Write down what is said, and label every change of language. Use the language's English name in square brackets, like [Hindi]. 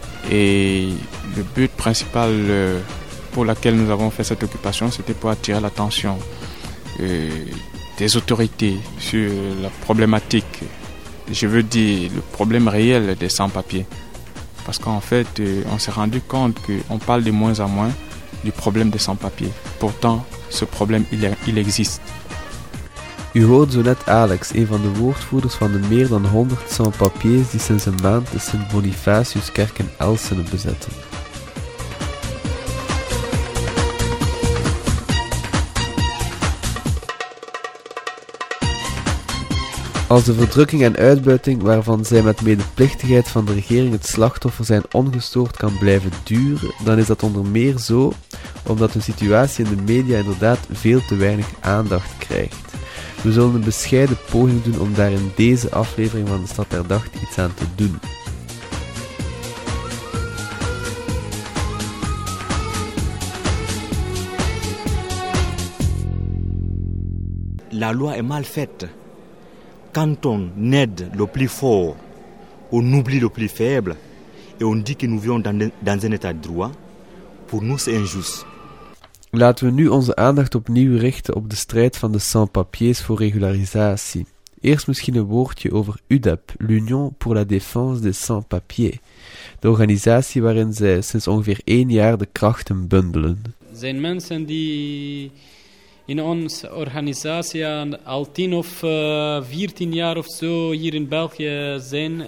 [French] Et le but principal pour lequel nous avons fait cette occupation, c'était pour attirer l'attention des autorités sur la problématique, je veux dire le problème réel des sans-papiers. Parce qu'en fait, on s'est rendu compte qu'on parle de moins en moins du problème des sans-papiers. Pourtant, ce problème, il existe. [Dutch] U hoort zo net Alex, een van de woordvoerders van de meer dan 100 sans-papiers die sinds een maand de Sint-Bonifatiuskerk in Elsene bezetten. Als de verdrukking en uitbuiting waarvan zij met medeplichtigheid van de regering het slachtoffer zijn ongestoord kan blijven duren, dan is dat onder meer zo omdat hun situatie in de media inderdaad veel te weinig aandacht krijgt. We zullen een bescheiden poging doen om daar in deze aflevering van de Stad der Dag iets aan te doen. [French] La loi est mal faite. Quand on aide le plus fort, on oublie le plus faible et on dit que nous vivons dans un état de droit, pour nous c'est injuste. [Dutch] Laten we nu onze aandacht opnieuw richten op de strijd van de sans-papiers voor regularisatie. Eerst misschien een woordje over UDAP, l'Union pour la défense des sans-papiers. De organisatie waarin zij sinds ongeveer 1 jaar de krachten bundelen. Er zijn mensen die in onze organisatie al 10 of 14 jaar of zo hier in België zijn.